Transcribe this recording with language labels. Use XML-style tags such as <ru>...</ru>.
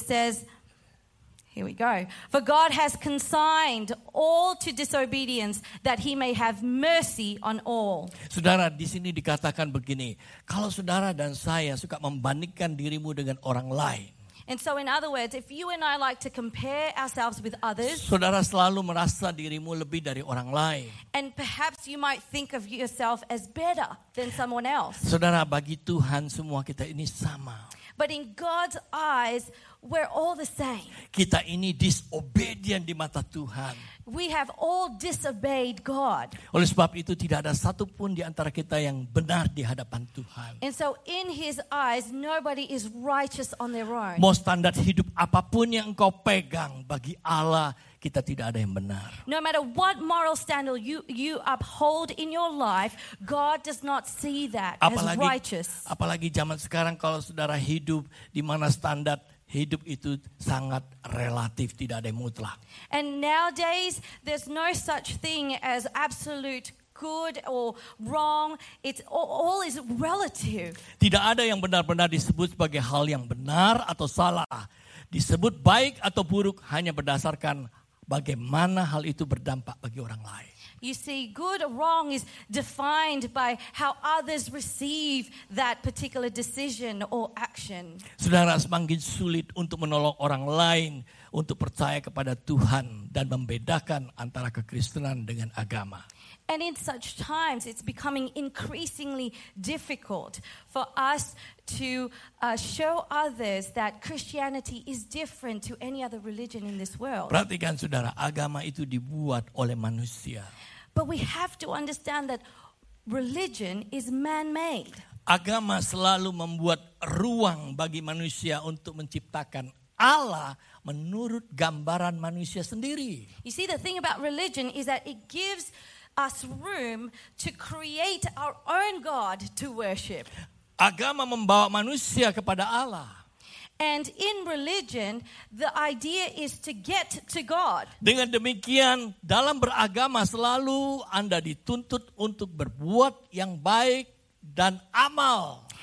<en>it says, here we go, "For God has consigned all to disobedience, that he may have mercy on all."</en> <id>Saudara, di sini dikatakan begini, kalau saudara dan saya suka membandingkan dirimu dengan orang lain,</id> <en>And so in other words, if you and I like to compare ourselves with others,</en> <id>saudara selalu merasa dirimu lebih dari orang lain.</id> <en>And perhaps you might think of yourself as better than someone else.</en> <id>Saudara, bagi Tuhan semua kita ini sama.</id> <en>But in God's eyes, we're all the same.</en> <id>Kita ini disobedient di mata Tuhan.</id> <en>We have all disobeyed God.</en> <id>Oleh sebab itu tidak ada satu pun di antara kita yang benar di hadapan Tuhan.</id> <en>And so in his eyes nobody is righteous on their own.</en> <id>Mau standar hidup apapun yang engkau pegang bagi Allah, kita tidak ada yang benar.</id> <en>No matter what moral standard you uphold in your life, God does not see that</en> <id>apalagi,</id> <en>as righteous.</en> <id>Apalagi zaman sekarang kalau saudara hidup di mana standar hidup itu sangat relatif, tidak ada yang mutlak.</id> <en>And nowadays, there's no such thing as absolute good or wrong. It's all is relative.</en> <id>Tidak ada yang benar-benar disebut sebagai hal yang benar atau salah. Disebut baik atau buruk hanya berdasarkan bagaimana hal itu berdampak bagi orang lain.</id> <en>You see, good or wrong is defined by how others receive that particular decision or action.</en> <id>Saudara, semakin sulit untuk menolong orang lain untuk percaya kepada Tuhan dan membedakan antara kekristenan dengan agama.</id> <en>And in such times, it's becoming increasingly difficult for us to show others that Christianity is different to any other religion in this world.</en> <id>Perhatikan, saudara, agama itu dibuat oleh manusia.</id> <en>But we have to understand that religion is man-made.</en> <id>Agama selalu membuat ruang bagi manusia untuk menciptakan Allah menurut gambaran manusia sendiri.</id> <en>You see, the thing about religion is that it gives us room to create our own God to worship.</en> <id>Agama membawa manusia kepada Allah.</id> <en>And in religion, the idea is to get to God.</en> <id>Dengan demikian, dalam beragama selalu Anda dituntut untuk berbuat yang baik dan amal.</id>